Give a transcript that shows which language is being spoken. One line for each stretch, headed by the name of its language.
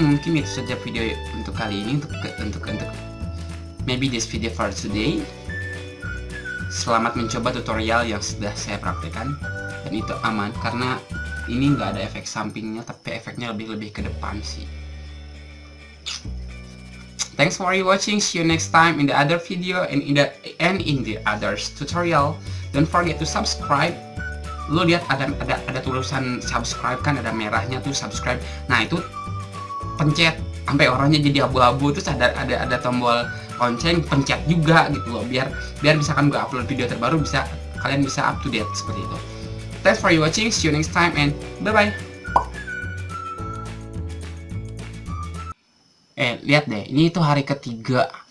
Indonesian: Mungkin itu saja video untuk kali ini untuk
English: maybe this video for today.
Indonesian: Selamat mencoba tutorial yang sudah saya praktekkan dan itu aman karena ini enggak ada efek sampingnya, tapi efeknya lebih ke depan sih.
English: Thanks for watching. See you next time in the other video and in the other tutorial. Don't forget to subscribe.
Indonesian: Lo lihat ada tulisan subscribe kan, ada merahnya tuh subscribe. Nah, itu pencet sampai orangnya jadi abu-abu, terus ada tombol lonceng, pencet juga gitu loh biar misalkan gue upload video terbaru kalian bisa up to date seperti itu.
English: Thanks for watching. See you next time and bye-bye.
Indonesian: Lihat deh, ini itu hari ketiga.